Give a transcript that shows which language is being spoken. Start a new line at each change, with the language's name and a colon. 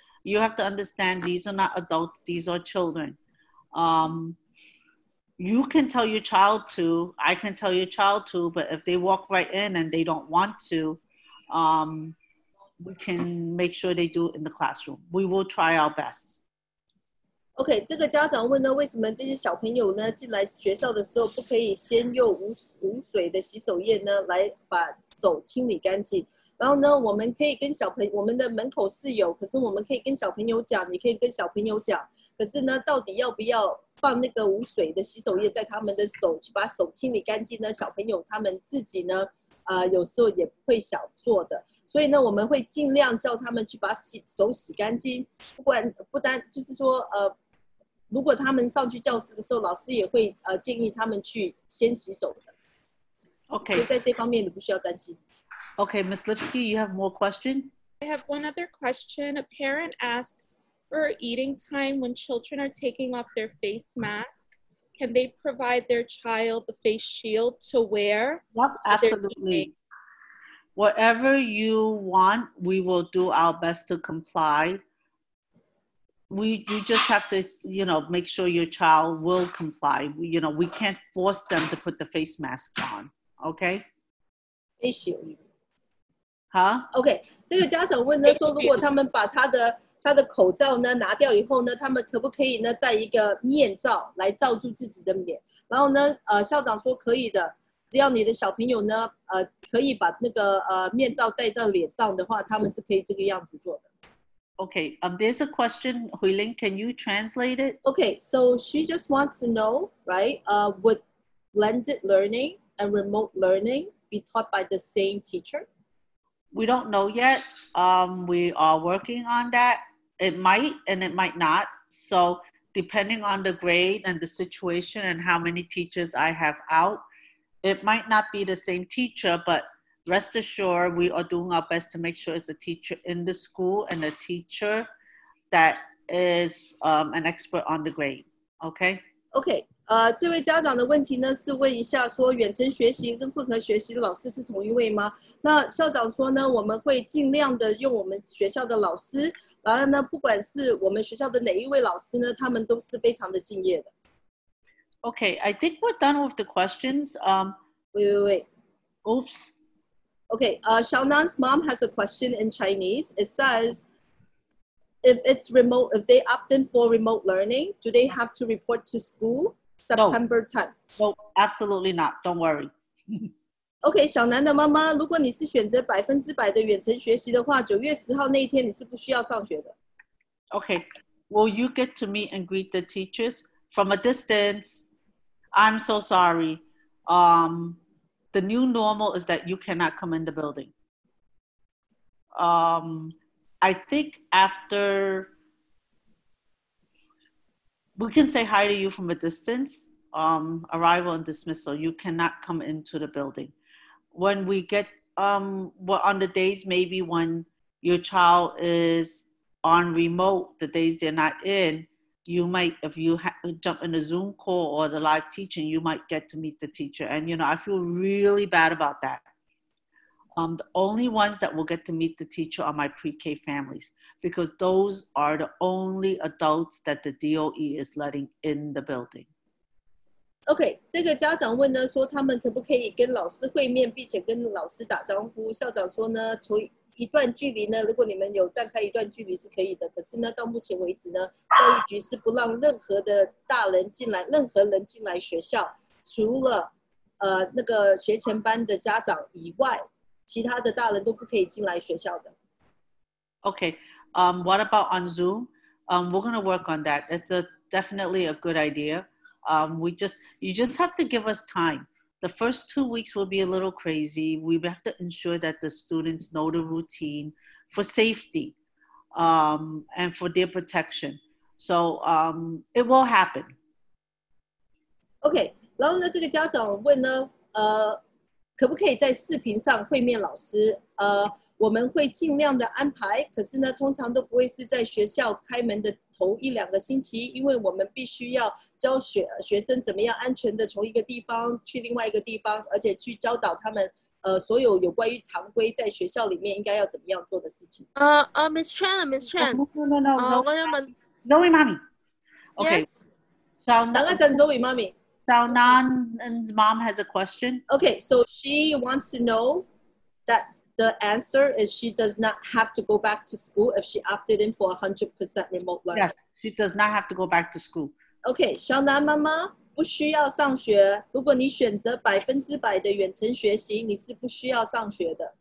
English: You have to understand these are not adults, these are children. You can tell your child to, I can tell your child to, but if they walk right in and they don't want to, we can make sure they do it in the classroom. We will try our best.
Chinese: OK, 这个家长问呢，为什么这些小朋友呢，进来学校的时候不可以先用 无水的洗手液呢，来把手清理干净。然后呢，我们可以跟小朋友，我们的门口是有，可是我们可以跟小朋友讲，你可以跟小朋友讲，可是呢，到底要不要放那个无水的洗手液在他们的手，去把手清理干净呢？小朋友他们自己呢，有时候也不会想做的，所以呢，我们会尽量叫他们去把手洗干净。不单就是说，如果他们上去教室的时候，老师也会建议他们去先洗手的。 OK，所以在这方面你不需要担心。
English: Okay, Ms. Lipsky, you have more questions? I have one other question. A parent asked, for eating time when children are taking off their face mask, can they provide their child the face shield to wear? Yep, absolutely. Whatever you want, we will do our best to comply. We just have to, you know, make sure your child will comply. You know, we can't force them to put the face mask on, okay? Face shield. Huh?
Chinese: Okay, 这个家长问呢，说如果他们把他的口罩呢拿掉以后呢，他们可不可以呢戴一个面罩来罩住自己的脸？然后呢，校长说可以的，只要你的小朋友呢，可以把那个面罩戴在脸上的话，他们是可以这个样子做的。
English: Okay, there's a question, Huiling, can you translate it? Okay, so she just wants to know, right? Would blended learning and remote learning be taught by the same teacher? We don't know yet. We are working on that. It might and it might not. So depending on the grade and the situation and how many teachers I have out, it might not be the same teacher, but rest assured, we are doing our best to make sure it's a teacher in the school and a teacher that is an expert on the grade. Okay? Okay.
Chinese: 这位家长的问题呢是问一下说远程学习跟混合学习的老师是同一位吗？那校长说呢，我们会尽量的用我们学校的老师，然后呢，不管是我们学校的哪一位老师呢，他们都是非常的敬业的。
English: Okay, I think we're done with the questions. Wait. Oops. Okay, Xiaonan's mom has a question in Chinese. It says,If it's remote, if they opt in for remote learning, do they have to report to school September 10th? No, absolutely not. Don't worry.
Chinese: Okay, 小南的妈妈，如果你是选择百分之百的远程学习的话，九月十号那一天你是不需要上学的。
English: Okay, will you get to meet and greet the teachers from a distance? I'm so sorry. The new normal is that you cannot come in the building. I think after, we can say hi to you from a distance, arrival and dismissal, you cannot come into the building. When we get, on the days maybe when your child is on remote, the days they're not in, you might, if you jump in a Zoom call or the live teaching, you might get to meet the teacher. And, you know, I feel really bad about that. The only ones that will get to meet the teacher are my pre-K families, because those are the only adults that the DOE is letting in the building.
Chinese: Okay, 这个家长问呢，说他们可不可以跟老师会面，并且跟老师打招呼？校长说呢，从一段距离呢，如果你们有站开一段距离是可以的。可是呢，到目前为止呢，教育局是不让任何的大人进来，任何人进来学校，除了那个学前班的家长以外，其他的大人都不可以进来学校的。
English: Okay, what about on Zoom? We're gonna work on that. It's a definitely a good idea. You just have to give us time. The first 2 weeks will be a little crazy. We have to ensure that the students know the routine for safety, and for their protection. So, it will happen. Okay.
Chinese: 然后呢，这个家长问呢，可不可以在视频上会面老师？我们会尽量的安排，可是呢，通常都不会是在学校开门的头一两个星期，因为我们必须要教学生怎么样安全的从一个地方去另外一个地方，而且去教导他们，所有关于常规在学校里面应该要怎么样做的事情。 Miss Chan， 我要问 Zoe 妈咪 ，OK，等一阵 Zoe 妈咪。
English: So Nan's mom has a question. Okay, so she wants to know that the answer is she does not have to go back to school if she opted in for 100% remote learning. Yes, she does not have to go back to school.
Chinese: Okay, 小南妈妈不需要上学。如果你选择100%的远程学习，你是不需要上学的。